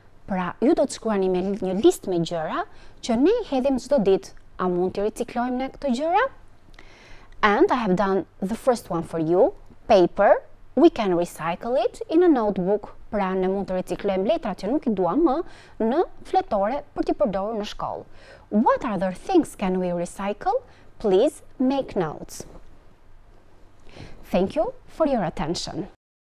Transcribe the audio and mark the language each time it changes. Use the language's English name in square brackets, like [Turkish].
[Albanian] Pra, ju do të shkruani me një listë me gjëra që ne hedhim çdo ditë. A mund të riciklojmë ne këto gjëra? [English] And I have done the first one for you. Paper, we can recycle it in a notebook. [Albanian] Pra, ne mund të riciklojmë letrat që nuk i duam më në fletore për t'i përdorur në shkollë. [English] What other things can we recycle? Please make notes. Thank you for your attention.